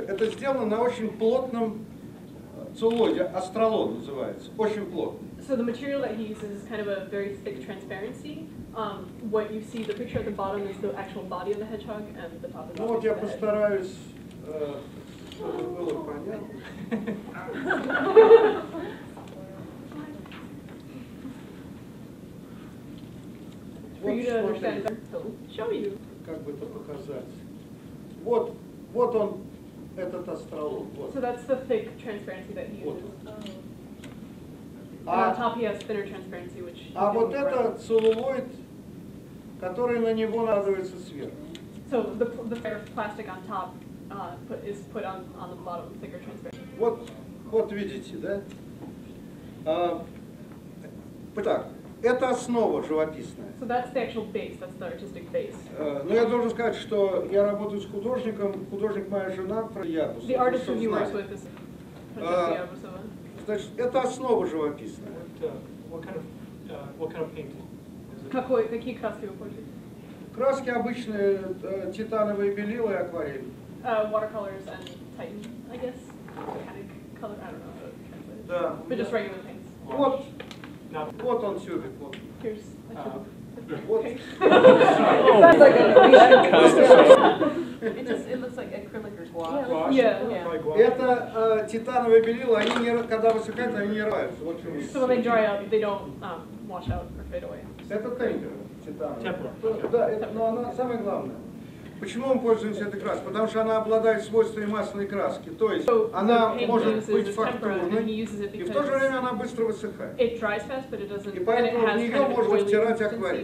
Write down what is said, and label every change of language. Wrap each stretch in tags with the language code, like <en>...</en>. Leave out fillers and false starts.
<ru>Это сделано на очень плотном целлоиде, астролон называется, очень плотно.</ru> <en>So the material that he uses is kind of a very thick transparency. What you see, the picture at the bottom is the actual body of the hedgehog and the top of the</en> <ru>Ну вот я постараюсь, чтобы было понятно.</ru> <en>For you to understand, show you.</en> <ru>Как бы это показать? Вот он. Этот астролог, вот.</ru> <en>So that's the thick transparency that he uses.</en> <ru>Вот.</ru> <en>Oh. And on top he has thinner transparency, which...</en> <ru>А вот это целлулоид, который на него накладывается сверху.</ru> <en>So the plastic on top is put on the bottom, thicker transparency.</en> <ru>Вот видите, да? Так. Это основа живописная.</ru> <en>So that's the actual base, that's the artistic base.</en> <ru>Но я должен сказать, что я работаю с художником, художник моя жена, Ябусова.</ru> <en>The artist who you work with is Ябусова.</en> <ru>Значит, это основа живописная.</ru> <en>What kind of painting?</en> <ru>Какие краски? Краски обычные, титановые белила и акварель.</ru> <en>Watercolors and Titan, I guess. Titanic color, I don't know how to translate.</en> <ru>Да.</ru> <en>But just regular paints.</en> <ru>Вот. Вот он тюбик, вот.</ru> <en>Here's a tube.</en> <ru>Вот.</ru> <en>It looks like a guache. It looks like acrylic or guache. Yeah.</en> <ru>Это титановые белила, они не, когда высыхают, они не рваются.</ru> <en>So when they dry out, they don't wash out or fade away.</en> <ru>Это тейнтер, титановый.</ru> <en>Tempera.</en> <ru>Да, но она самое главное. Почему мы пользуемся этой краской? Потому что она обладает свойствами масляной краски. То есть</ru> <en>so</en> <ru>она может быть фактурной, и в то же время она быстро высыхает.</ru> <en>It dries fast, but it doesn't,</en> <ru>и поэтому</ru> <en>it</en> <ru>в нее можно втирать акварель.</ru>